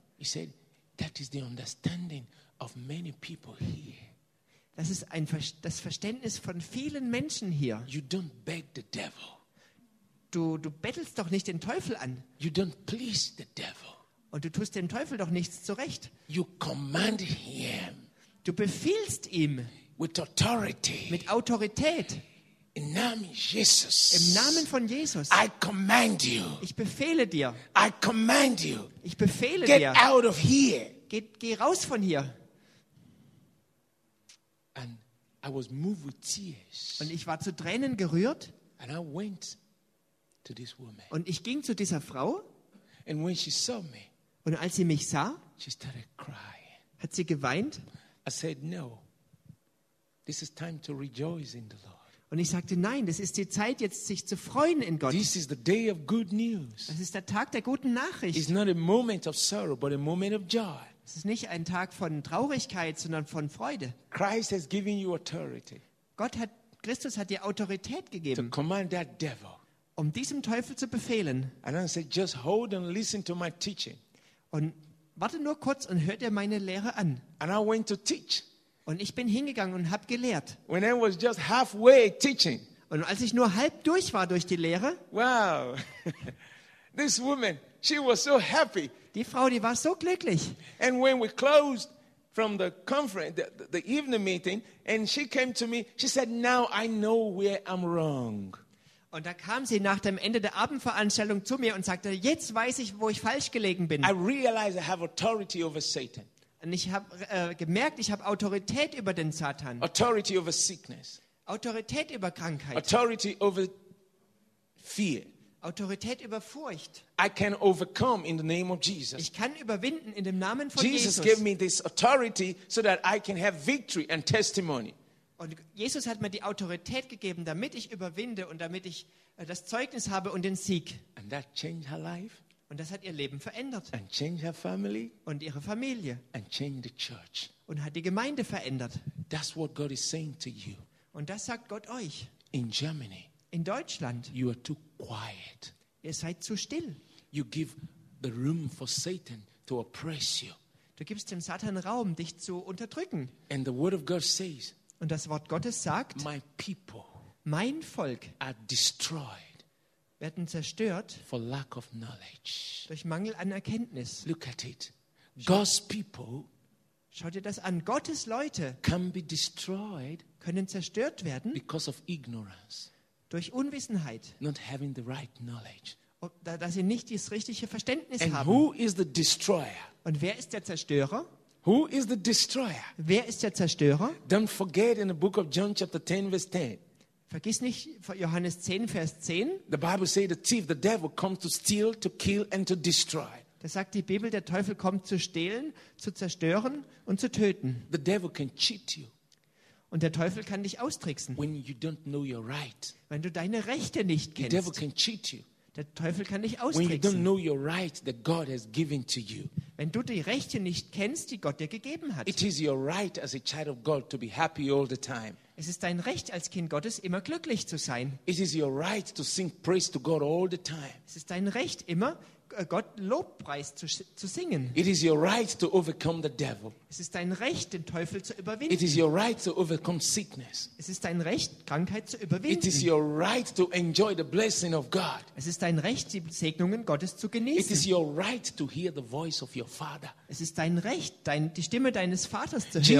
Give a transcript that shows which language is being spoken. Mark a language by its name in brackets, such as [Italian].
[English] He said, that is the understanding of many people here. [German] Das ist das Verständnis von vielen Menschen hier. [English] You don't beg the devil. [German] Du bettelst doch nicht den Teufel an. [English] You don't please the devil. [German] Und du tust dem Teufel doch nichts zurecht. [English] You command him. [German] Du befiehlst ihm [English] with authority. [German] Mit Autorität. Im Namen von Jesus. [English] I command you. [German] Ich befehle dir. [English] I command you. [German] Ich befehle [English] get [German] dir. [English] Get out of here. [German] Geh raus von hier. [English] And I was moved with tears. [German] Und ich war zu Tränen gerührt. [English] And I went to this woman. [German] Und ich ging zu dieser Frau. [English] And when she saw me, [German] und als sie mich sah, [English] she started crying. [German] Hat sie geweint. [English] I said no. This is time to rejoice in the Lord. [German] Und ich sagte, nein, das ist die Zeit, jetzt sich zu freuen in Gott. [English] This is the day of good news. [German] Das ist der Tag der guten Nachricht. [English] It's not a moment of sorrow, but a moment of joy. [German] Es ist nicht ein Tag von Traurigkeit, sondern von Freude. [English] Christ has given you authority. [German] Christus hat dir Autorität gegeben. [English] To command that devil. [German] Um diesem Teufel zu befehlen. [English] And I said, just hold and listen to my teaching. [German] Und warte nur kurz und hör dir meine Lehre an. [English] And I went to teach. [German] Und ich bin hingegangen und habe gelehrt. [English] When I was just halfway teaching. [German] Und als ich nur halb durch war durch die Lehre. [English] Wow. This woman, she was so happy. [German] Die Frau, die war so glücklich. [English] And when we closed from the conference, the evening meeting, and she came to me, she said, now I know where I'm wrong. [German] Und da kam sie nach dem Ende der Abendveranstaltung zu mir und sagte, jetzt weiß ich, wo ich falsch gelegen bin. [English] I realize I have authority over Satan. [German] Und ich habe gemerkt, ich habe Autorität über den Satan. [English] Authority over sickness. [German] Autorität über Krankheit. [English] Authority over fear. [German] Autorität über Furcht. [English] I can overcome in the name of Jesus. [German] Ich kann überwinden in dem Namen von Jesus. [English] Jesus gave me this authority so that I can have victory and testimony. [German] Und Jesus hat mir die Autorität gegeben, damit ich überwinde und damit ich das Zeugnis habe und den Sieg. [English] And that changed her life. [German] Und das hat ihr Leben verändert. [English] And changed her family. [German] Und ihre Familie. [English] And changed the church. [German] Und hat die Gemeinde verändert. [English] That's what God is saying to you. [German] Und das sagt Gott euch. [English] In Germany. [German] In Deutschland. [English] You are too quiet. [German] Ihr seid zu still. [English] You give the room for Satan to oppress you. [German] Du gibst dem Satan Raum, dich zu unterdrücken. [English] And the word of God says. [German] Und das Wort Gottes sagt. [English] My people. [German] Mein Volk. [English] Are destroyed. [German] Werden zerstört. [English] For lack of knowledge. [German] Durch Mangel an Erkenntnis. [English] Look at it. God's people. [German] Schau dir das an. Gottes Leute. [English] Can be destroyed. [German] Können zerstört werden. [English] Because of ignorance. [German] Durch Unwissenheit. [English] Not having the right knowledge. [German] Dass sie nicht das richtige Verständnis [English] and [German] haben. [English] Who is the destroyer? [German] Und wer ist der Zerstörer? [English] Who is the destroyer? [German] Wer ist der Zerstörer? [English] Don't forget in the book of John chapter 10 verse 10. [German] Vergiss nicht Johannes 10 Vers 10. [English] The Bible says the thief, the devil comes to steal, to kill and to destroy. [German] Da sagt die Bibel, der Teufel kommt zu stehlen, zu zerstören und zu töten. [English] The devil can cheat you. [German] Und der Teufel kann dich austricksen. [English] When you don't know your right. [German] Wenn du deine Rechte nicht kennst. [English] The devil can cheat you. [German] Der Teufel kann dich austricksen. [English] When you don't know your right that God has given to you. [German] Wenn du die Rechte nicht kennst, die Gott dir gegeben hat. [English] It is your right as a child of God to be happy all the time. [German] Es ist dein Recht als Kind Gottes immer glücklich zu sein. [English] It is your right to sing praise to God all the time. [German] Es ist dein Recht immer Gott Lobpreis zu singen. [English] It is your right to overcome the devil. [German] Es ist dein Recht, den Teufel zu überwinden. [English] It is your right to overcome sickness. [German] Es ist dein Recht, Krankheit zu überwinden. [English] It is your right to enjoy the blessing of God. [German] Es ist dein Recht, die Segnungen Gottes zu genießen. [English] It is your right to hear the voice of your father. [German] Es ist dein Recht, die Stimme deines Vaters zu hören.